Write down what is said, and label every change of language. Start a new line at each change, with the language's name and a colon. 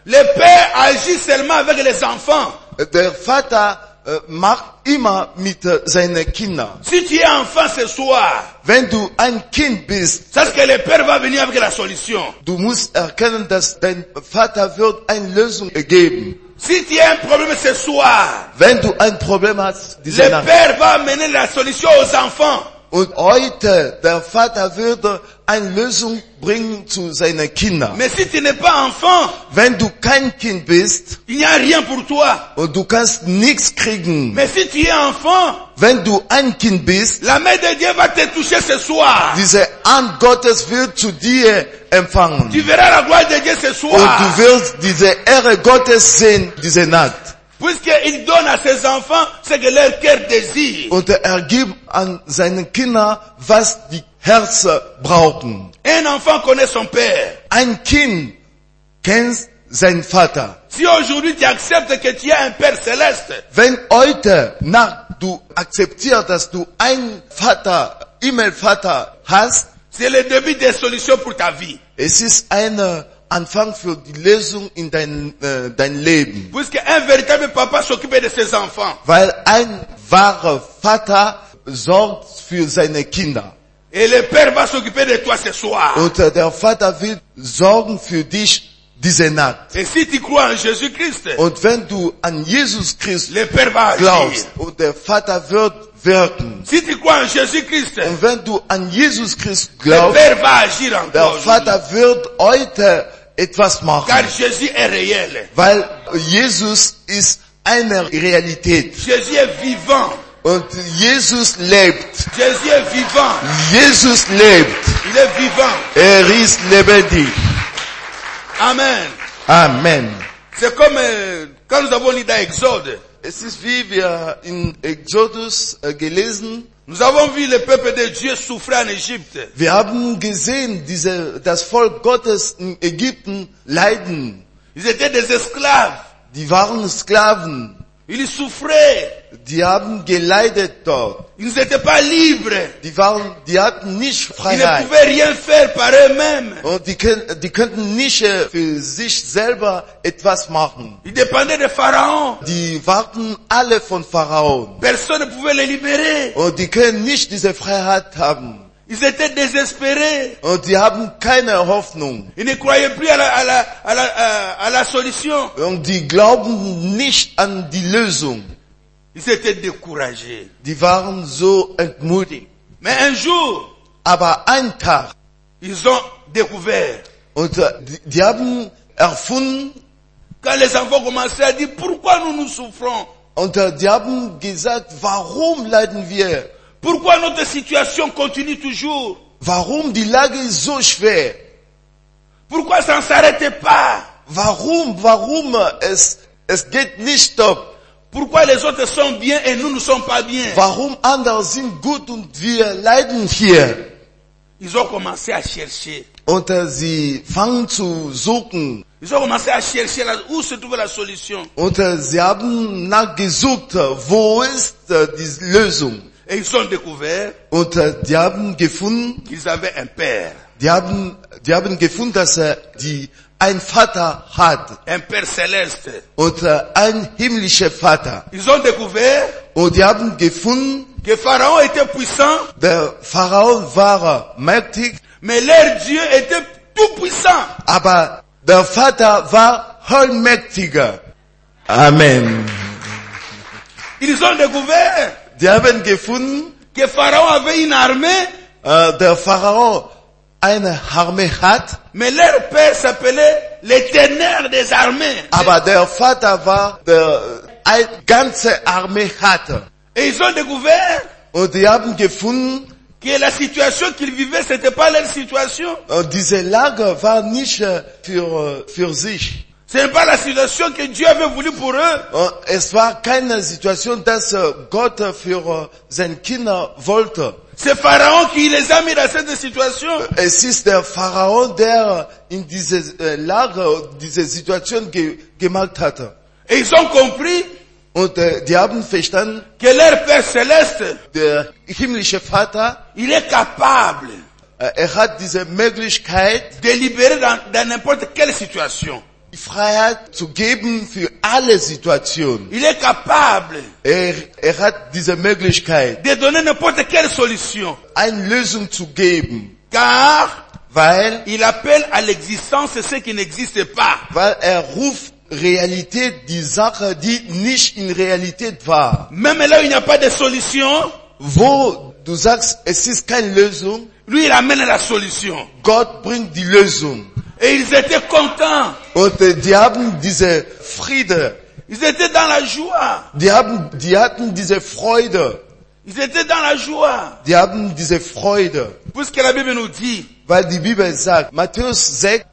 French: Le père agit seulement avec les enfants.
German: Der Vater macht immer mit seinen Kindern.
French: Si tu es enfant ce soir,
German: wenn du ein Kind bist,
French: sache que le père va venir avec la solution.
German: Du musst erkennen, dass dein Vater wird eine Lösung geben.
French: Si tu as un problème ce soir,
German: wenn du ein Problem hast,
French: le père va amener la solution aux enfants.
German: Und heute, der Vater wird eine Lösung bringen zu seinen Kindern.
French: Mais si tu n'es pas enfant,
German: wenn du kein Kind bist,
French: il n'y a rien pour toi.
German: Und du kannst nichts kriegen.
French: Mais si tu es enfant,
German: wenn du ein Kind bist,
French: la main de Dieu va te toucher ce soir.
German: Diese Hand Gottes wird zu dir empfangen.
French: Tu verras la gloire de Dieu ce soir.
German: Und du wirst diese Ehre Gottes sehen diese Nacht.
French: Puisqu'il donne à ses enfants ce que leur cœur désire.
German: Und gibt an seine Kinder, was die Herzen brauchen.
French: Un enfant connaît son père.
German: Ein Kind kennt seinen Vater.
French: Si aujourd'hui tu acceptes que tu as un père céleste.
German: Wenn heute Nacht du akzeptierst, dass du ein Vater, Himmelvater hast.
French: C'est le début des solutions pour ta vie.
German: Es ist eine Anfang für die Lösung in dein Leben.
French: Puisque un véritable papa s'occupe de ses enfants.
German: Weil ein wahrer Vater sorgt für seine Kinder.
French: Et le père va s'occuper de toi ce soir.
German: Und der Vater wird sorgen für dich diese Nacht.
French: Et si tu crois en Jésus Christ,
German: und wenn du an Jesus Christ
French: le père va
German: glaubst,
French: agir.
German: Und der Vater wird wirken.
French: Si tu crois en Jésus Christ,
German: und wenn du an Jesus Christ glaubst,
French: le père va agir encore,
German: der Vater wird heute etwas machen.
French: Car Jésus est réel.
German: Weil Jesus ist eine Realität.
French: Jésus est vivant.
German: Und Jesus lebt.
French: Jésus est vivant.
German: Jesus lebt.
French: Il est vivant.
German: Er ist lebendig.
French: Amen.
German: Amen.
French: C'est comme quand nous avons lu dans Exode.
German: Es ist wie wir in Exodus gelesen.
French: Nous avons vu le peuple de Dieu souffrir en Égypte.
German: Wir haben gesehen, das Volk Gottes in Ägypten leiden.
French: Ils étaient des esclaves.
German: Die waren Sklaven.
French: Ils souffraient.
German: Die haben geleidet dort.
French: Ils n'étaient pas libres.
German: Die hatten nicht Freiheit.
French: Ils ne pouvaient rien faire par eux-mêmes.
German: Und die könnten nicht für sich selber etwas machen.
French: Ils dépendaient des pharaons.
German: Die waren alle von Pharaon.
French: Personne ne pouvait les libérer.
German: Und die können nicht diese Freiheit haben.
French: Ils étaient désespérés.
German: Und die haben keine Hoffnung.
French: Ils ne croyaient plus à la solution.
German: Und die glauben nicht an die Lösung.
French: Ils étaient découragés.
German: Die waren so entmutigt.
French: Mais un jour,
German: aber ein Tag,
French: ils ont découvert.
German: Und die haben erfunden,
French: quand les enfants commençaient à dire pourquoi nous souffrons.
German: Und die haben gesagt, warum leiden wir?
French: Pourquoi notre situation continue toujours?
German: Warum die Lage ist so schwer?
French: Pourquoi ça ne s'arrête pas?
German: Warum es geht nicht stop?
French: Pourquoi les autres sont bien et nous ne sommes pas bien?
German: Warum andere sind gut und wir leiden hier?
French: Ils ont commencé à chercher.
German: Und sie fangen zu suchen.
French: Ils ont commencé à chercher où se trouve la solution.
German: Und sie haben nachgesucht, wo ist die Lösung?
French: Et ils ont découvert.
German: Und die haben gefunden.
French: Qu'ils avaient un père.
German: Die haben gefunden, dass die ein Vater hat.
French: Un père céleste.
German: Und ein himmlischer Vater.
French: Ils ont découvert.
German: Und die haben gefunden.
French: Que Pharaon était puissant.
German: Der Pharaon war mächtig.
French: Mais leur Dieu était tout puissant.
German: Aber der Vater war allmächtiger.
French: Amen. Ils ont découvert.
German: Die haben gefunden,
French: que Pharaon avait une armée,
German: der Pharaon eine Armee hat,
French: mais leur père s'appelait l'éternel des armées.
German: Aber der Vater war eine ganze Armee hatte.
French: Et ils ont découvert,
German: und die haben gefunden,
French: que la situation qu'ils vivaient, c'était pas leur situation.
German: Diese Lage war nicht für sich.
French: Ce n'est pas la situation que Dieu avait voulu pour eux.
German: Es war keine Situation, dass Gott für seine Kinder wollte.
French: C'est Pharaon qui les a mis dans cette situation. Et c'est le
German: Pharaon der in diese Lage, diese Situation gemacht hat.
French: Ils ont compris.
German: Und die haben verstanden.
French: Que leur Père Céleste,
German: der himmlische Vater,
French: il est capable.
German: Er hat diese Möglichkeit,
French: de libérer dans n'importe quelle situation.
German: Die Freiheit zu geben für alle Situationen.
French: Il est capable.
German: Er hat diese Möglichkeit,
French: de donner n'importe quelle solution.
German: Eine Lösung zu geben.
French: Car,
German: weil,
French: il appelle à l'existence ce qui n'existe pas.
German: Weil er ruft Realität die Sache, die nicht in Realität war.
French: Même là, il n'y a pas de solution.
German: Wo du sagst, es ist keine Lösung.
French: Lui, il amène la solution.
German: Gott bringt die Lösung.
French: Et ils étaient contents.
German: Und die haben diese Friede.
French: Ils étaient dans la joie.
German: Die hatten diese Freude.
French: Ils étaient dans la joie.
German: Die haben diese Freude.
French: Puisque la Bible nous dit.
German: Weil die Bibel sagt, Matthäus 6,